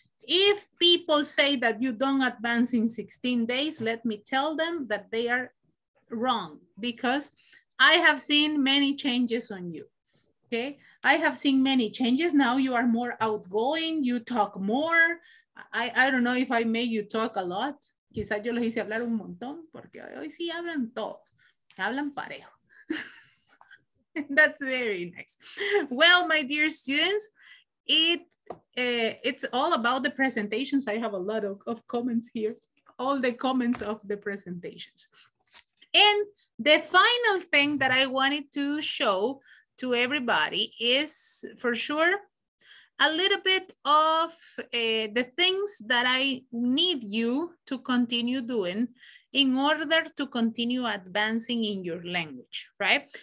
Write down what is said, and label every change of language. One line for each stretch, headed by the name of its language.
English: If people say that you don't advance in 16 days, let me tell them that they are wrong, because I have seen many changes on you, okay? I have seen many changes. Now you are more outgoing, you talk more. I don't know if I made you talk a lot.
Spanish: Quizás yo los hice hablar un montón, porque hoy sí hablan todos, hablan parejo.
English: That's very nice. Well, my dear students, it's all about the presentations. I have a lot of comments here, all the comments of the presentations. And the final thing that I wanted to show to everybody is for sure a little bit of the things that I need you to continue doing in order to continue advancing in your language, right?